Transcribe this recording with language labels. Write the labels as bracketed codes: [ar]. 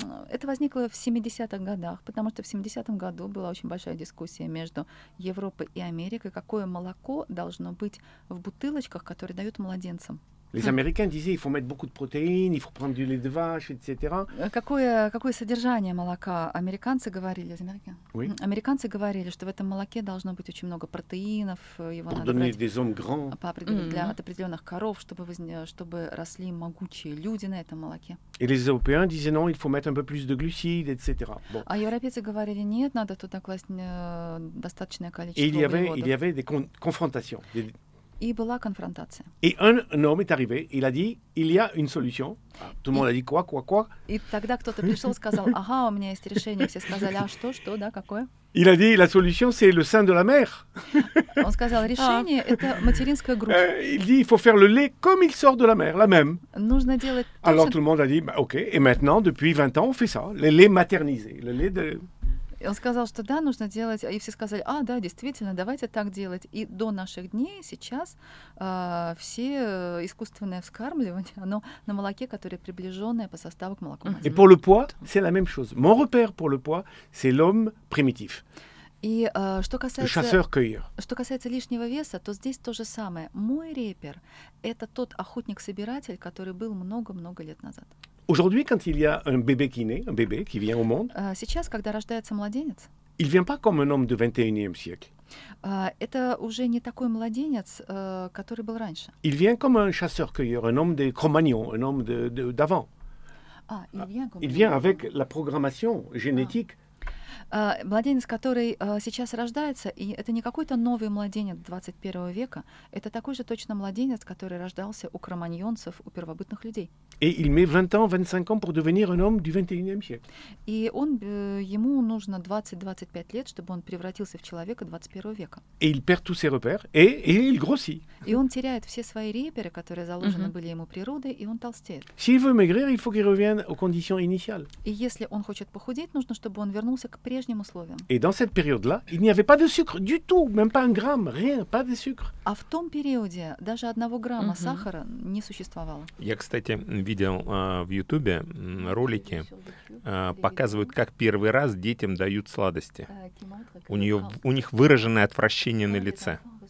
[ru] Это возникло в 70-х годах, потому что в 70-м году была очень большая дискуссия между Европой и Америкой, какое молоко должно быть в бутылочках, которые дают младенцам. [fr] Les Américains disaient qu'il faut mettre beaucoup de protéines, il faut prendre du lait de vache, etc. [ru] Какое содержание молока? Американцы говорили, [fr] Oui. [ru] Американцы говорили, что в этом молоке должно быть очень много протеинов, его [fr] Pour [ru] надо [fr] donner [ru] брать [fr] des hommes grands. [ru] Для от определенных коров, чтобы росли могучие люди на этом молоке. [fr] Et les Européens disaient non, il faut mettre un peu plus de glucides, etc. Bon. [ru] А европейцы говорили, нет, надо туда класть достаточное количество углеводов. [fr] Il y avait des confrontations. [ru] И была конфронтация. [fr] Et un homme est arrivé, il a dit, il y a une solution. Tout le monde a dit quoi? [ru] И тогда кто-то пришел, сказал, ага, у меня есть решение. Все сказали, а что, да, какое? [fr] Il a dit, la solution, c'est le sein de la mère. [ru] Он сказал, решение, это материнская грудь. [fr] Il dit, il faut faire le lait comme il sort de la mère, la même. [ru] Нужно делать... [fr] Alors tout le monde a dit, bah, ok, et maintenant, depuis 20 ans, on fait ça, le lait maternisé, le lait de... [ru] И он сказал, что да, нужно делать, и все сказали, а, да, действительно, давайте так делать. И до наших дней сейчас все искусственное вскармливание, оно на молоке, которое приближенное по составу к молоку. [fr] И pour le poids, c'est la même chose. Mon repère pour le poids, c'est l'homme primitif. [ru] И что касается лишнего веса, то здесь то же самое. Мой репер — это тот охотник-собиратель, который был много-много лет назад. [fr] Aujourd'hui, quand il y a un bébé qui naît, un bébé qui vient au monde, [ru] сейчас, когда рождается младенец, [fr] Il vient pas comme un homme du 21e siècle. [ru] Это уже не такой младенец, который был раньше. [fr] Il vient comme un chasseur-cueilleur, un homme des Cro-Magnon, un homme de d'avant. Il vient avec la programmation génétique. [ru] Младенец, который сейчас рождается, и это не какой-то новый младенец 21 века, это такой же точно младенец, который рождался у кроманьонцев, у первобытных людей. [fr] Et il met 20 ans, 25 ans pour devenir un homme du 21e siècle. [ru] И он, ему нужно 20-25 лет, чтобы он превратился в человека 21 века. [fr] Et il perd tous ses repères et il grossit. [ru] И он теряет все свои реперы, которые заложены mm-hmm. были ему природой, и он толстеет. [fr] S'il veut maigrir, il faut qu'il revienne aux conditions initiales. [ru] И если он хочет похудеть, нужно, чтобы он вернулся к прежним условиям. [fr] Et dans cette période-là, il n'y avait pas de sucre du tout, même pas un gramme, rien, pas de sucre. [ru] А в том периоде даже одного грамма mm-hmm. сахара не существовало. Я, кстати, видел в Ютубе ролики, показывают, как первый раз детям дают сладости. У них выраженное отвращение на лице.